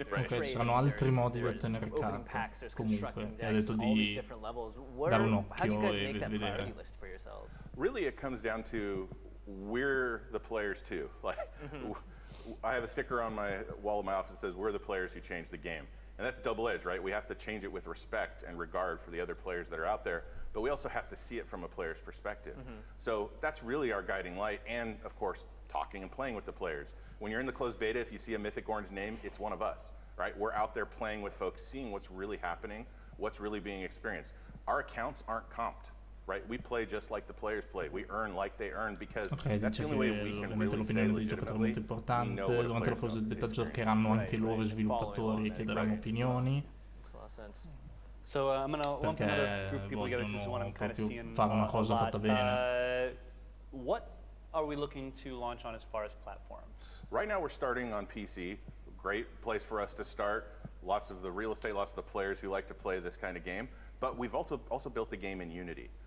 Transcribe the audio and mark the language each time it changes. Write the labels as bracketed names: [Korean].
[Italian] Okay, ci sono altri modi di ottenere carte. [English] Packs, there's [Italian] comunque, [English] constructing decks, all these different levels. [Italian] Dare un occhio, [English] how do you guys make that priority list for yourselves? Really, it comes down to we're the players too. Like, I have a sticker on my wall of my office that says, we're the players who change the game. And that's double-edged, right? We have to change it with respect and regard for the other players that are out there, but we also have to see it from a player's perspective. Mm-hmm. So that's really our guiding light, and of course, talking and playing with the players. When you're in the closed beta, if you see a Mythic Orange name, it's one of us, right? We're out there playing with folks, seeing what's really happening, what's really being experienced. Our accounts aren't comped, right? We play just like the players play. We earn like they earn, because that's the only way we can really say legitimately. [Italian] Durante la closed beta giocheranno anche loro sviluppatori che daranno opinioni. [English] lump another group of people together, since one I'm kind of seeing a lot. What are we looking to launch on as far as platforms? Right now we're starting on PC. Great place for us to start. Lots of the real estate, lots of the players who like to play this kind of game. But we've also built the game in Unity.